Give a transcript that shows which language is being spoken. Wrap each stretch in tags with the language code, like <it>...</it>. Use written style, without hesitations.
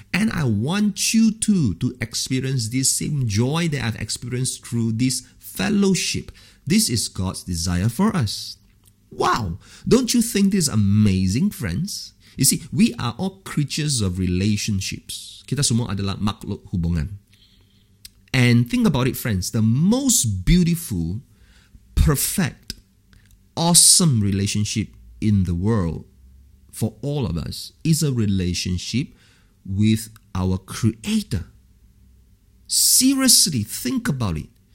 <en>And I want you to experience this same joy that I've experienced through this fellowship. This is God's desire for us. Wow, don't you think this is amazing, friends? You see, we are all creatures of relationships.</en> <id>Kita semua adalah makhluk hubungan.</id> <en>And think about it, friends. The most beautiful, perfect, awesome relationship in the world for all of us is a relationship with our Creator. Seriously, think about it.</en>